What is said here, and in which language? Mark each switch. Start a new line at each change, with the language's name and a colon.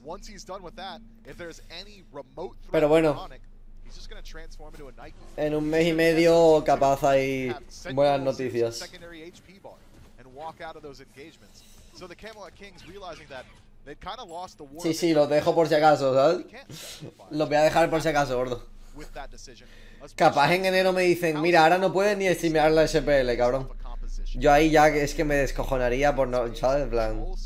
English: Once he's done with that, if there's any remote threat,
Spanish: pero bueno,
English: he's just gonna transform into a Nike.
Spanish: En un mes y medio, capaz hay buenas noticias.
English: Secondary HP bar and walk out of those engagements. So the Camelot Kings realizing that they kind of lost the war.
Spanish: Sí, sí, los dejo por si acaso, ¿sabes? Los voy a dejar por si acaso, gordo. Capaz en enero me dicen, mira, ahora no puedes ni streamear la SPL, cabrón. Yo ahí ya es que me descojonaría por no, ¿sabes? En plan.